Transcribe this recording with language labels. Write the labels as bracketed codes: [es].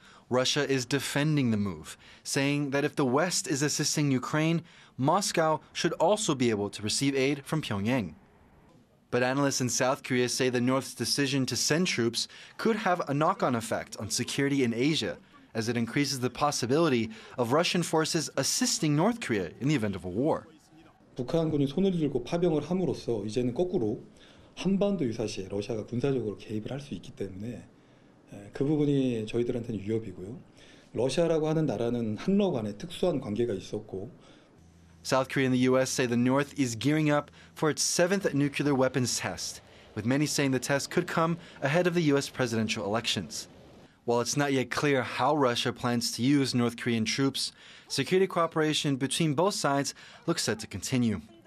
[en] Russia is defending the move, saying that if the West is assisting Ukraine, Moscow should also be able to receive aid from Pyongyang. But analysts in South Korea say the North's decision to send troops could have a knock-on effect on security in Asia, as it increases the possibility of Russian forces assisting North Korea in the event of a war. [ko] 북한군이 손을 들고 파병을 함으로써 이제는 거꾸로 한반도 유사시에 러시아가 군사적으로 개입을 할 수 있기 때문에 그 부분이 저희들한테는 위협이고요. 러시아라고 하는 나라는 한러 간의 특수한 관계가 있었고 [en] South Korea and the U.S. say the North is gearing up for its seventh nuclear weapons test, with many saying the test could come ahead of the U.S. presidential elections. While it's not yet clear how Russia plans to use North Korean troops, security cooperation between both sides looks set to continue.